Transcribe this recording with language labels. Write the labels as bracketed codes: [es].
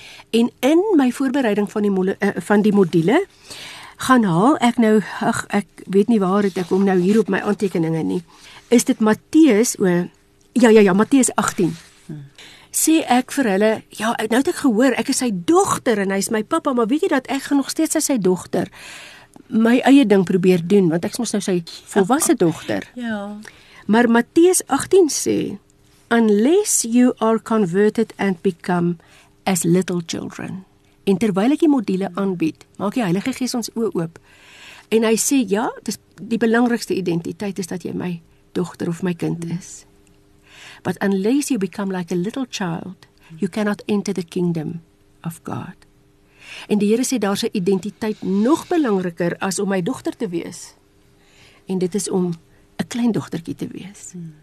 [af] En in my voorbereiding van die module, gaan haal ek nou, ek weet nie waar het ek om nou hier op my aantekeninge nie, is dit Matteus 18. Sê ek vir hulle, ja, nou het ek gehoor, ek is sy dogter en hy is my papa, maar weet jy dat ek nog steeds as sy dogter my eie ding probeer doen, want ek is mos nou sy volwasse dogter. Ja. Maar Matteus 18 sê, [en] unless you are converted and become as little children. [af] En terwyl ek die module aanbied, maak die Heilige Gees ons oë oop. En hy sê, ja, dis die belangrikste identiteit is dat jy my dogter of my kind is. [en] But unless you become like a little child, you cannot enter the kingdom of God. [af] En die Here sê, daar's 'n identiteit nog belangriker as om my dogter te wees. En dit is om 'n klein dogtertjie te wees.